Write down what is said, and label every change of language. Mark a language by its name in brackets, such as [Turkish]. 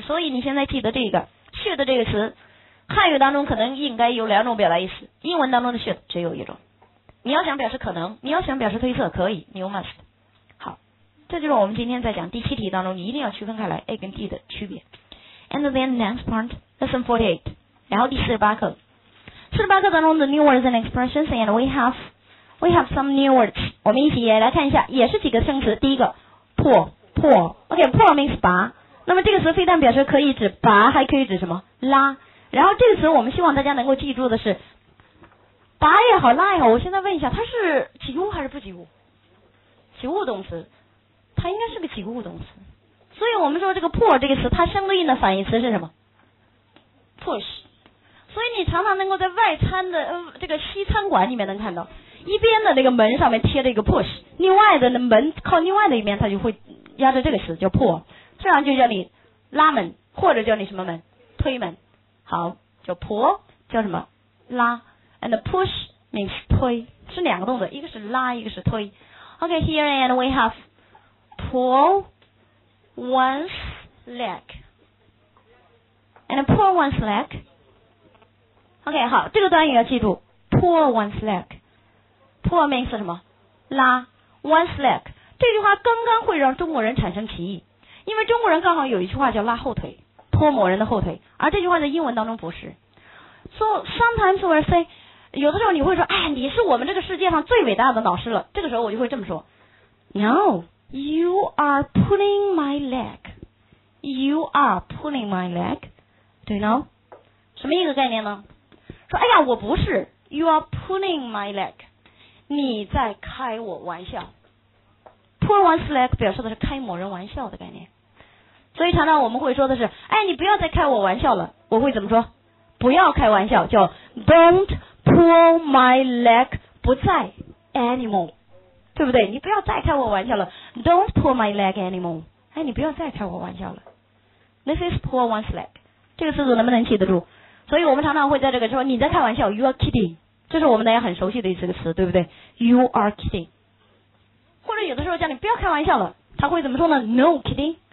[Chinese] 所以你现在记得这个 should 这个词，汉语当中可能应该有两种表达意思，英文当中的 should 只有一种。你要想表示可能，你要想表示推测，可以，你用 must。这就是我们今天在讲第七题当中，你一定要区分开来 A 跟 D 的区别。 [English] And then next part Lesson 48， [Chinese] 然后第48课，48课当中的 new words and expressions， [English] and we have some new words， [Chinese] 我们一起也来看一下，也是几个生词。第一个 pull OK， pull means 拔，那么这个词非但表示可以指拔，还可以指什么？拉。然后这个词我们希望大家能够记住的是，拔也好拉也好，我现在问一下，它是及物还是不及物？及物动词，它应该是个及物动词。所以我们说这个 pull 这个词，它相对应的反义词是什么？ [English] push。 [Chinese] 所以你常常能够在外餐的这个西餐馆里面能看到，一边的那个门上面贴着一个 push， 另外的门靠另外的一边，它就会压着这个词叫 pull， 这样就叫你拉门，或者叫你什么门？推门。好，叫 pull 叫什么？拉。and push means 推，是两个动作，一个是拉，一个是推。 [English] OK， here and we havePull one's leg. And pull one's leg. OK， [Chinese] 好，这个单语要记住。 [English] Pull one's leg. Pull means 什么？拉。One's leg. [Chinese] 这句话刚刚会让中国人产生歧义，因为中国人刚好有一句话叫拉后腿，拖某人的后腿，而这句话在英文当中不是。 So sometimes we'll say， 有的时候你会说，哎，你是我们这个世界上最伟大的老师了。这个时候我就会这么说 ，No。 [English] You are pulling my leg. You are pulling my leg. Do you know? [Chinese] 什么一个概念呢？说哎呀，我不是。 [English] You are pulling my leg. [Chinese] 你在开我玩笑。 Pull one's leg 表示的是开某人玩笑的概念。所以常常我们会说的是，哎，你不要再开我玩笑了。我会怎么说？不要开玩笑，叫 [English] Don't pull my leg. [Chinese] 不再 anymore. 对不对？你不要再开我玩笑了。 [English] Don't pull my leg anymore. [Chinese] 哎，你不要再开我玩笑了。 [English] This is pull one's leg. [Chinese] 这个词组能不能记得住？所以我们常常会在这个说你在开玩笑 ， [English] You are kidding. [Chinese] 这是我们大家很熟悉的一个词，对不对 ？ [English] You are kidding. [Chinese] 或者有的时候叫你不要开玩笑了，他会怎么说呢 ？ [English] No kidding.